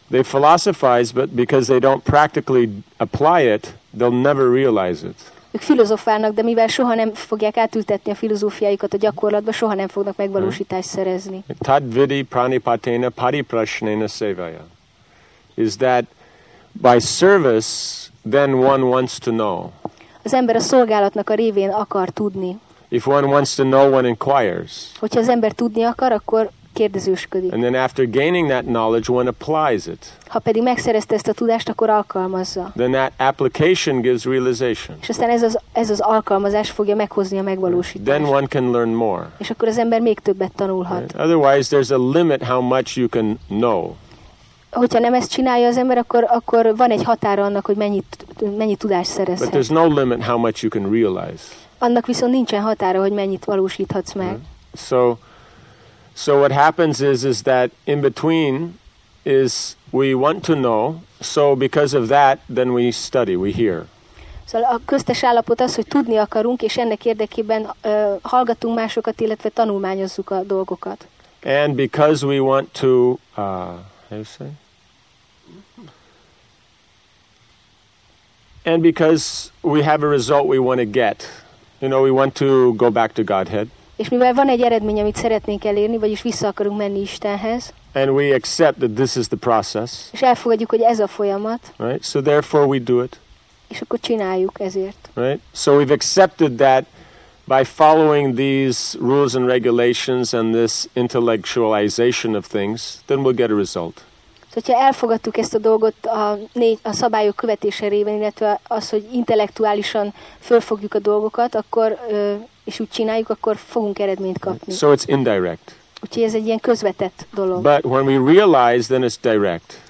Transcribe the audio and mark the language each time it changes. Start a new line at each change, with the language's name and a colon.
English: They philosophize, but because they don't practically apply it, they'll never realize it.
Hungarian: Ők filozofálnak, de mivel soha nem fogják átültetni a filozófiáikat a gyakorlatba, soha nem fognak megvalósítást szerezni.
Sanskrit: Tad vidi pranipatena pariprasnena sevaya.
English: Is that by service, then one wants to know.
Hungarian: Az ember a szolgálatnak a révén akar tudni.
English: If one wants to know, one inquires.
Hungarian: Hogyha az ember tudni akar, akkor kérdezősködik.
English: And then after gaining that knowledge, one applies it.
Hungarian: Ha pedig megszerezte ezt a tudást, akkor alkalmazza.
English: Then that application gives realization.
Hungarian: És aztán ez az alkalmazás fogja meghozni a megvalósítást.
English: Then one can learn more.
Hungarian: És akkor az ember még többet tanulhat.
English: Right. Otherwise, there's a limit how much you can know.
Hungarian: Hogyha nem ezt csinálja az ember, akkor van egy határa annak, hogy mennyi tudást szerezhet.
English: But there's no limit how much you can realize.
Hungarian: Annak viszont nincsen határa, hogy mennyit valósíthatsz meg.
English: So what happens is that in between is we want to know, so because of that, then we study, we hear.
Hungarian: Szóval a köztes állapot az, hogy tudni akarunk, és ennek érdekében hallgatunk másokat, illetve tanulmányozzuk a dolgokat.
English: And because we want to, how do you say? And because we have a result we want to get, you know, we want to go back to Godhead.
Hungarian: És mivel van egy eredmény, amit szeretnénk elérni, vagyis vissza akarunk menni Istenhez.
English: And we accept that this is the process.
Hungarian: És elfogadjuk, hogy ez a folyamat.
English: Right? So therefore we do it.
Hungarian: És akkor csináljuk ezért.
English: Right? So we've accepted that by following these rules and regulations and this intellectualization of things, then we'll get a result.
Hungarian: Szóval, ha elfogadtuk ezt a dolgot a szabályok követése révén, illetve az, hogy intellektuálisan fölfogjuk a dolgokat, akkor és úgy csináljuk, akkor fogunk eredményt kapni.
English: So it's indirect.
Hungarian: Úgyhogy ez egy ilyen közvetett dolog.
English: But when we realize, then it's direct.